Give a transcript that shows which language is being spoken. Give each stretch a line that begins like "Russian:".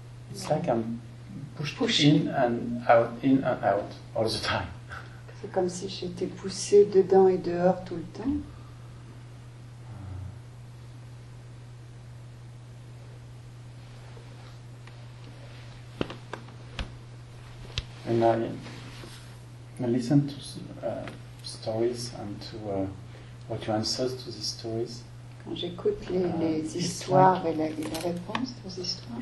English: It's like I'm pushed in and out, in and out all the time.
French: C'est comme si j'étais poussée dedans et dehors tout le temps.
English: And I listen to stories and to what your answers to these stories.
French: Quand j'écoute les histoires like, et la réponse aux histoires.